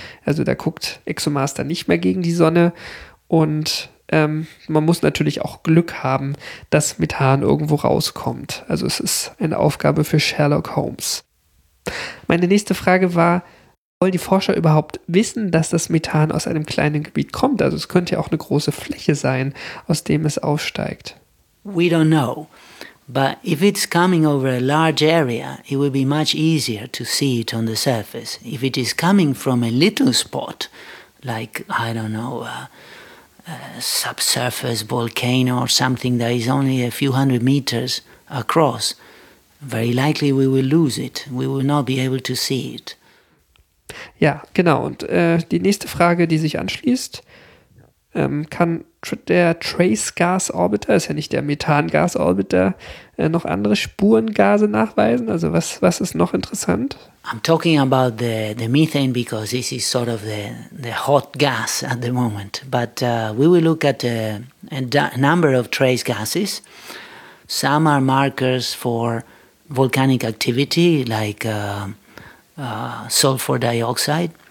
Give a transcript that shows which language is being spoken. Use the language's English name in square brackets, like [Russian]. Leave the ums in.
[German] Also da guckt Exomaster nicht mehr gegen die Sonne. Und ähm, man muss natürlich auch Glück haben, dass Methan irgendwo rauskommt. Also es ist eine Aufgabe für Sherlock Holmes. Meine nächste Frage war, wollen die Forscher überhaupt wissen, dass das Methan aus einem kleinen Gebiet kommt? Also es könnte ja auch eine große Fläche sein, aus dem es aufsteigt. [English] We don't know. But if it's coming over a large area, it will be much easier to see it on the surface. If it is coming from a little spot, like, I don't know, a, a subsurface volcano or something that is only a few hundred meters across, very likely we will lose it. We will not be able to see it. [German] Ja, genau. Und äh, die nächste Frage, die sich anschließt, ähm, kann der Trace Gas Orbiter, ist ja nicht der Methangas Orbiter, äh, noch andere Spurengase nachweisen? Also was, was ist noch interessant? [English] I'm talking about the, the methane because this is sort of the, the hot gas at the moment. But uh, we will look at a, a number of trace gases. Some are markers for volcanic activity, like uh, Uh, sulfur dioxide.